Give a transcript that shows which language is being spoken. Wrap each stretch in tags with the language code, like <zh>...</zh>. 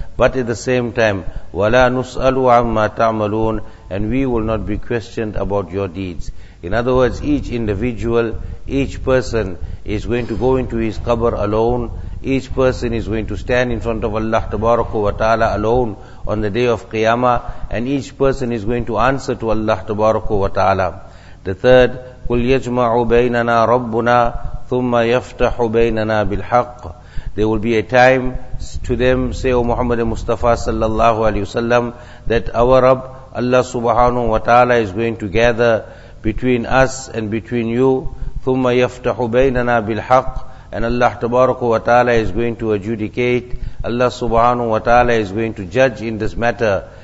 <en>But at the same time,</en> <ar>وَلَا نُسْأَلُ عَمَّا تَعْمَلُونَ,</ar> <en>and we will not be questioned about your deeds. In other words, each individual, each person is going to go into his qabr alone. Each person is going to stand in front of Allah tabaraka wa ta'ala alone on the day of Qiyamah, and each person is going to answer to Allah tabaraka wa ta'ala.</en> <ar>The third, قُلْ يَجْمَعُ بَيْنَنَا رَبُّنَا ثُمَّ يَفْتَحُ بَيْنَنَا بِالْحَقِّ.</ar> <en>There will be a time to them, say, O Muhammad Mustafa sallallahu alayhi wa sallam, that our Rabb, Allah subhanahu wa ta'ala, is going to gather between us and between you.</en> <ar>ثُمَّ يَفْتَحُ بَيْنَنَا بِالْحَقِّ.</ar> <en>And Allah tabaraka wa ta'ala is going to adjudicate, Allah subhanahu wa ta'ala is going to judge in this matter.</en>